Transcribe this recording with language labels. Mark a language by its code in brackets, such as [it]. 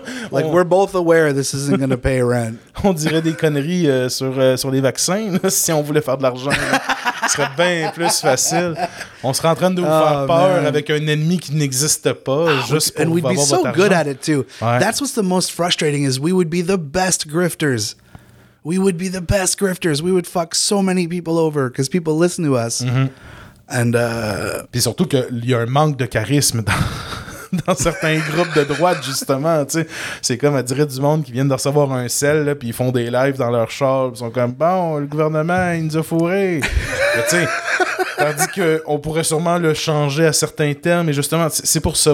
[en] Like, we're both aware this isn't gonna pay rent. [fr] On dirait des conneries sur les vaccins, là, si on voulait faire de l'argent. Ce serait bien plus facile. On serait en train de vous faire peur, man, avec un ennemi qui n'existe pas, juste pour avoir votre argent. [en] And we'd be so good [fr] argent. [en] At it too. [fr] Ouais. [en] That's what's the most frustrating is we would be the best grifters. We would be the best grifters. We would fuck so many people over because people listen to us. Mm-hmm. And [fr] puis surtout qu'il y a un manque de charisme dans certains groupes de droite, justement, tu sais. C'est comme, elle dirait, du monde qui viennent de recevoir un sel, là, puis ils font des lives dans leur char, puis ils sont comme, bon, le gouvernement, il nous a fourrés. Tu sais. Tandis qu'on pourrait sûrement le changer à certains termes, et justement, c'est pour ça.